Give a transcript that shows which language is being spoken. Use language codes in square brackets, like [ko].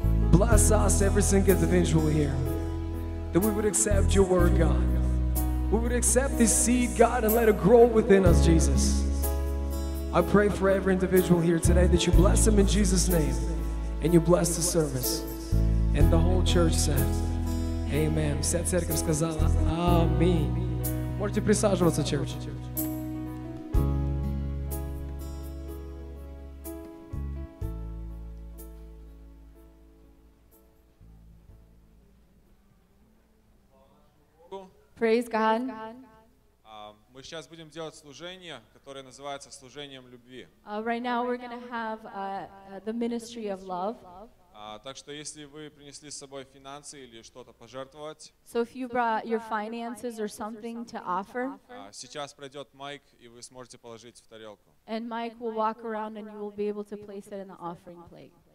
[en] Bless us, every single individual here, that we would accept your word, God. We would accept this seed, God, and let it grow within us, Jesus. I pray for every individual here today that you bless them in Jesus' name and you bless the service. And the whole church said, Amen. [ru] Вся церковь сказала, Аминь. Можете присаживаться, church. [en] Praise God. [ru] Мы сейчас будем делать служение, которое называется служением любви. [en] Right now we're going to have the ministry of love. [ru] Так что если вы принесли с собой финансы или что-то пожертвовать, [en] so if you brought your finances or something to offer, [ru] сейчас пройдет Майк, и вы сможете положить в тарелку. [en] And Mike will walk around and you will be able to place it in the offering plate.